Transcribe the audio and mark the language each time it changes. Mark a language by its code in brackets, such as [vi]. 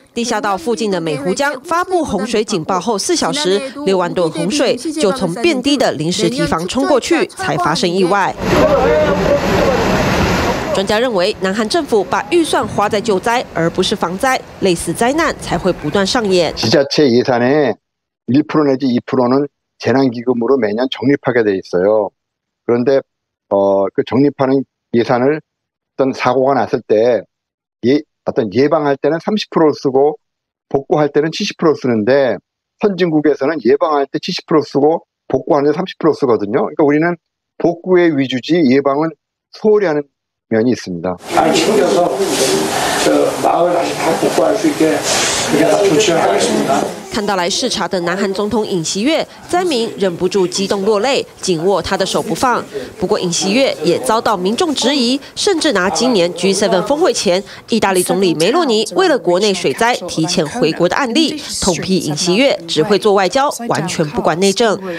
[zh] 地下道附近的美湖江发布洪水警报后4小时，6万吨洪水就从遍地的临时堤防冲过去，才发生意外。专家认为，南韩政府把预算花在救灾，而不是防灾，类似灾难才会不断上演。 [ko] 지자체예산의 1% 내지 2% 는재난기금으로매년적립하게돼있어요그런데그적립하는예산을어떤사고가났을때어떤예방할때는 30% 쓰고복구할때는 70% 쓰는데선진국에서는예방할때 70% 쓰고복구하는데 30% 쓰거든요그러니까우리는복구의위주지예방은소홀히하는면이있습니다 아니지금여서저마을다시다복구할수있게그냥다조치를하겠습니다 [zh] 看到来视察的南韩总统尹锡悦，灾民忍不住激动落泪，紧握他的手不放。不过尹锡悦也遭到民众质疑，甚至拿今年 G7 峰会前意大利总理梅洛尼为了国内水灾提前回国的案例，痛批尹锡悦只会做外交，完全不管内政。